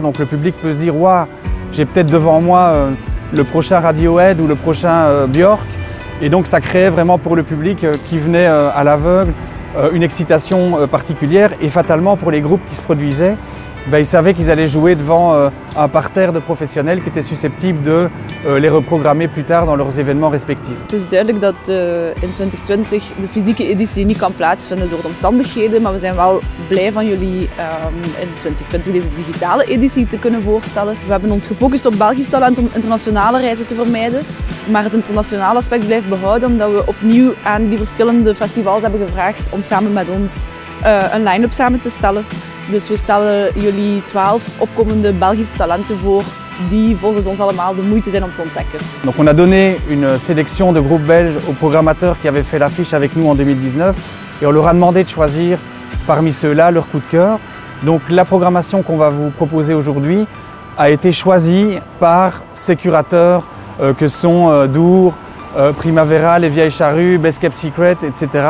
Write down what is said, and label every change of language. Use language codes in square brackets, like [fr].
[fr] Donc le public peut se dire, waouh, j'ai peut-être devant moi le prochain Radiohead ou le prochain Björk. Et donc ça créait vraiment pour le public qui venait à l'aveugle une excitation particulière. Et fatalement, pour les groupes qui se produisaient, ils savaient qu'ils allaient jouer devant un parterre de professionnels qui étaient susceptibles de les reprogrammer plus tard dans leurs événements respectifs. [nl] Het is duidelijk dat in 2020 de fysieke editie niet kan plaatsvinden door de omstandigheden, maar we zijn wel blij van jullie in 2020 deze digitale editie te kunnen voorstellen. We hebben ons gefocust op Belgisch talent om internationale reizen te vermijden, maar het internationale aspect blijft behouden omdat we opnieuw aan die verschillende festivals hebben gevraagd om samen met ons een line-up samen te stellen. Dus we stellen jullie 12 opkomende Belgische talenten voor die volgens ons allemaal de moeite zijn om te ontdekken. [fr] Donc on a donné une sélection de groupes belges aux programmateurs qui avaient fait l'affiche avec nous en 2019 et on leur a demandé de choisir parmi ceux-là leur coup de cœur. Donc la programmation qu'on va vous proposer aujourd'hui a été choisie par ces curateurs que sont Dour, Primavera, Les Vieilles Charrues, Best Kept Secret, etc.